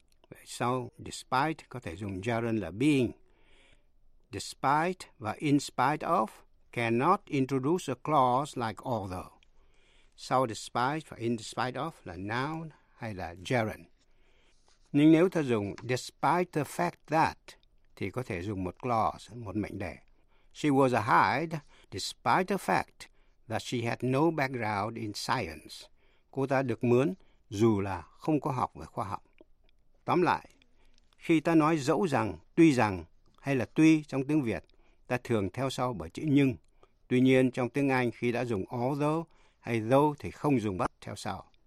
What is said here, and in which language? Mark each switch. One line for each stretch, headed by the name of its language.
Vietnamese: Vậy sau, despite có thể dùng gerund là being.
English: Despite và in spite of cannot introduce a clause like although.
Vietnamese: Sau despite và in spite of là noun hay là gerund. Nhưng nếu ta dùng despite the fact that thì có thể dùng một clause, một mệnh đề.
English: She was hired despite the fact that she had no background in science.
Vietnamese: Cô ta được mướn dù là không có học về khoa học. Tóm lại, khi ta nói dẫu rằng, hay là tuy trong tiếng Việt, ta thường theo sau bởi chữ nhưng. Tuy nhiên, trong tiếng Anh, khi đã dùng although hay though thì không dùng but theo sau.